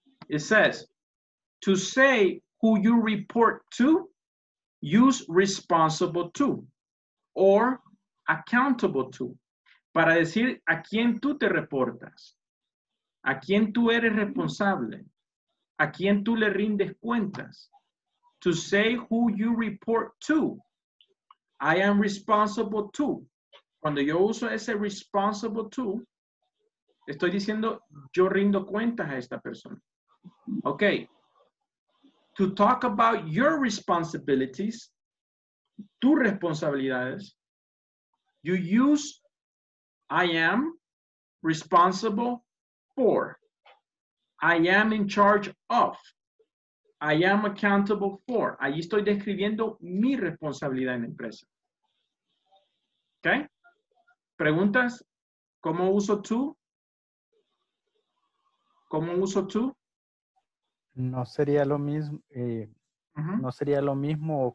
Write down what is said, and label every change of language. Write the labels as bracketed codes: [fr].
[en] It says, to say who you report to, use responsible to, or accountable to. [es] Para decir a quién tú te reportas, a quién tú eres responsable, a quién tú le rindes cuentas. [en] To say who you report to, I am responsible to. [es] Cuando yo uso ese responsible to, estoy diciendo yo rindo cuentas a esta persona. [en] Okay. To talk about your responsibilities, [es] tus responsabilidades, [en] you use I am responsible for. I am in charge of. I am accountable for. [es] Allí estoy describiendo mi responsabilidad en la empresa. Okay? ¿Preguntas? ¿Cómo uso tú? ¿Cómo uso tú? No sería lo mismo. No sería lo mismo.